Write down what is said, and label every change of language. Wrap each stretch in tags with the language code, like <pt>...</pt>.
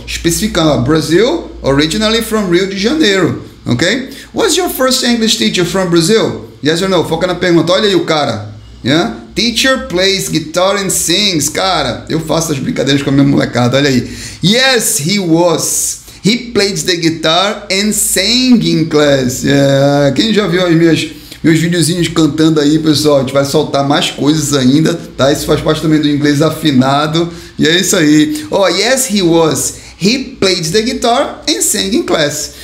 <pt>Especificando, ó,</pt> <en>Brazil, originally from Rio de Janeiro, ok? Was your first English teacher from Brazil? Yes or no?</en> <pt>Foca na pergunta, olha aí o cara.</pt> <en>Yeah? Teacher plays guitar and sings.</en> <pt>Cara, eu faço as brincadeiras com a minha molecada, olha aí.</pt> <en>Yes, he was. He played the guitar and sang in class. Yeah.</en> <pt>Quem já viu aí meus videozinhos cantando aí, pessoal? A gente vai soltar mais coisas ainda, tá? Isso faz parte também do inglês afinado. E é isso aí.</pt> <en>Oh, yes, he was. He played the guitar and sang in class.</en>